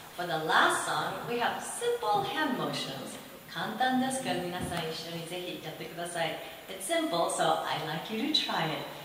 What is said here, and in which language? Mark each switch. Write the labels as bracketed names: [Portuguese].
[English] For the last song, we have simple hand motions. [Japanese] 簡単ですから皆さん一緒にぜひやってください。 [English] It's simple, so I'd like you to try it.